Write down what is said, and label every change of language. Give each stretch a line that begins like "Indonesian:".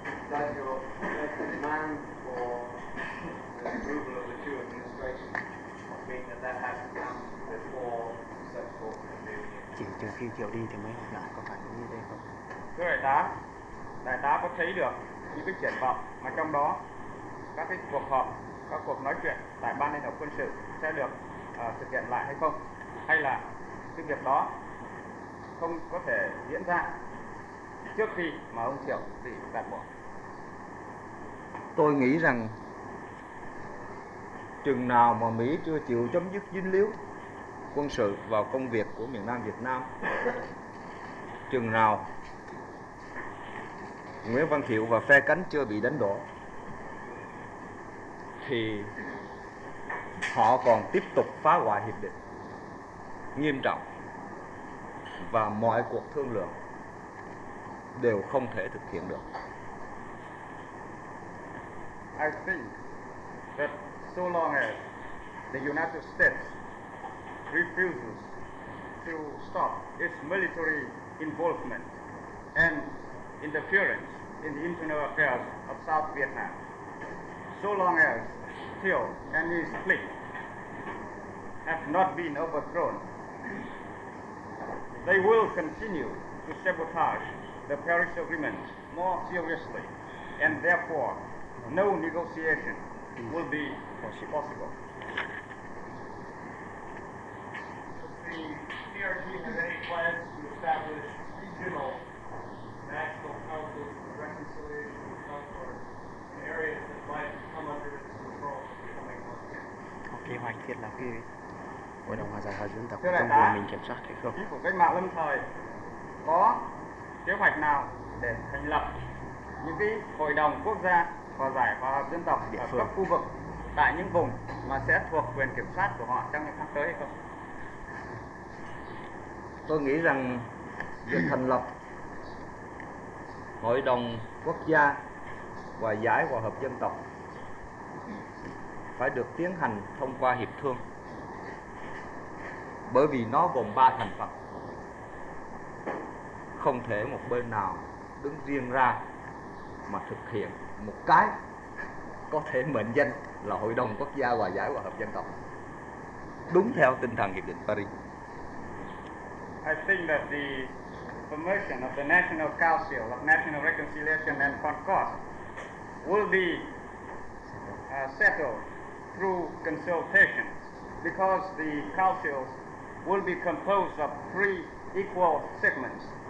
English: Does the demand for the approval of the two administrations mean that that has to come before successful convening?
Vietnamese: Chỉ trừ khi Thiệu đi thì mới họp lại, có phải như thế không? Thưa đại tá, đại tá có thấy được những cái triển vọng mà trong đó các cái cuộc họp, các cuộc nói chuyện tại Ban Liên Hợp Quân sự sẽ được thực hiện lại hay không? Hay là cái việc đó không có thể diễn ra trước khi mà ông Thiệu bị gạt bỏ? Tôi nghĩ rằng chừng nào mà Mỹ chưa chịu chấm dứt dính líu quân sự vào công việc của miền Nam Việt Nam, chừng nào Nguyễn Văn Thiệu và phe cánh chưa bị đánh đổ, thì họ còn tiếp tục phá hoại hiệp định nghiêm trọng, và mọi cuộc thương lượng đều không thể thực hiện được.
English: I think that so long as the United States refuses to stop its military involvement and interference in the internal affairs of South Vietnam, so long as Thiệu and his clique have not been overthrown, they will continue to sabotage the Paris Agreement more seriously, and therefore no negotiation will be possible. Does the PRG have any plans to establish regional national councils for reconciliation and conflict in areas that might come under its control in the coming months?
Vietnamese: Okay, hoạch thiết là cái Hội đồng Hòa giải và Dân tộc trong vùng mình kiểm soát hay không? Chính phủ cách mạng lâm thời có kế hoạch nào để thành lập những cái hội đồng quốc gia hòa giải và dân tộc địa ở phương, các khu vực tại những vùng mà sẽ thuộc quyền kiểm soát của họ trong những tháng tới hay không? Tôi nghĩ rằng việc thành lập hội đồng quốc gia hòa giải và hợp dân tộc phải được tiến hành thông qua hiệp thương, bởi vì nó gồm ba thành phần, không thể một bên nào đứng riêng ra mà thực hiện một cái có thể mệnh danh là Hội đồng Quốc gia Hòa giải và Hợp dân tộc đúng theo tinh thần Hiệp định Paris.
English: I think that the formation of the National Council of National Reconciliation and Concord will be settled through consultation, because the councils will be composed of three equal segments.